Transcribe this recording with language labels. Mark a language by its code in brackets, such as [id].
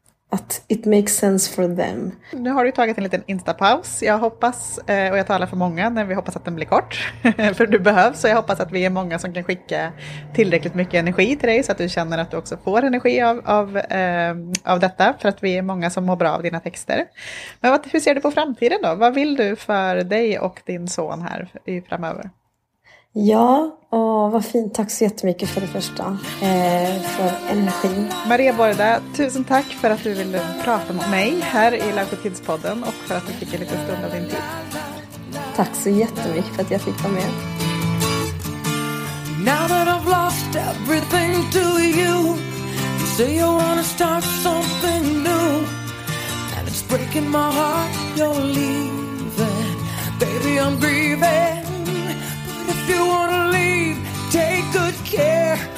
[sv] att [en] it makes sense for them. [sv] Nu har du tagit en liten instapaus. Jag hoppas, och jag talar för många, när vi hoppas att den blir kort. För du behövs. Så jag hoppas att vi är många som kan skicka tillräckligt mycket energi till dig. Så att du känner att du också får energi av detta. För att vi är många som mår bra av dina texter. Men hur ser du på framtiden då? Vad vill du för dig och din son här framöver? Ja, och vad fint. Tack så jättemycket för det första. För energin. Maria Borda, tusen tack för att du ville prata med mig här i Life with Kids-podden och för att du fick en liten stund av din tid. Tack så jättemycket för att jag fick vara med. [en] Now that I've lost everything to you, you say you wanna start something new, and it's breaking my heart you're leaving. Baby, I'm grieving. If you wanna leave, take good care.